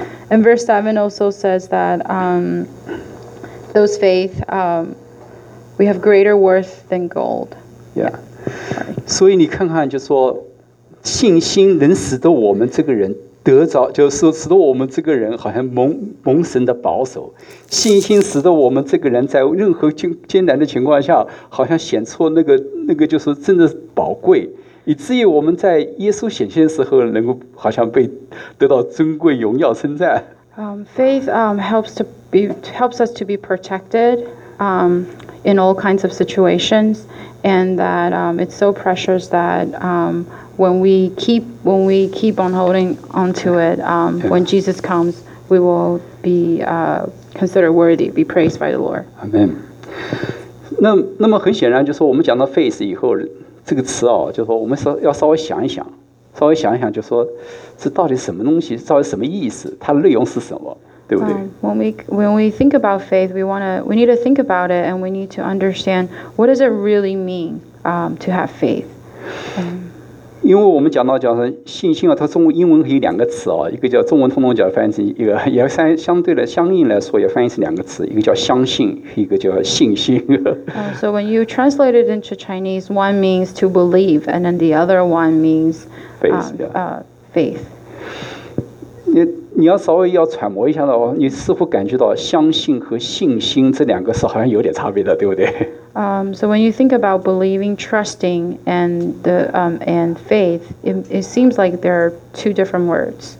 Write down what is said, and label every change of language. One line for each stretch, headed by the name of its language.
English: And verse 7 also says that those faith, we have greater worth than gold. Yeah.
Chinese: 所以你看看就说信心能使得我们这个人得着就是使得我们这个人好像蒙神的保守信心使得我们这个人在任何艰难的情况下好像显出那个就是真的宝贵以至于我们在耶稣显现的时候能够好像被得到尊贵荣耀称赞。
English: Faith helps us to be protected in all kinds of situations, and that it's so precious that when we keep on holding onto it, when Jesus comes, we will be considered worthy, be praised by the Lord. Amen.
Chinese: 那么很显然，就是我们讲到 faith 以后，这个词就是说我们要稍微想一想。稍微想一想，就说这到底什么东西，到底什么意思，它的内容是什么，对不对？
English: When we think about faith, we need to think about it, and we need to understand what does it really mean to have faith.
Chinese: 因为我们讲到信心它中文英文可以两个词一个叫中文通通叫翻译成一个，也相对的相应来说也翻译成两个词，一个叫相信，一个叫信心。
English: So when you translate it into Chinese, one means to believe, and then the other one meansFaith.
Chinese: 你要稍微要揣摩一下的话，你似乎感觉到相信和信心这两个是好像有点差别的，对不对？
English: So when you think about believing, trusting, and the and faith, it seems like there are two different words.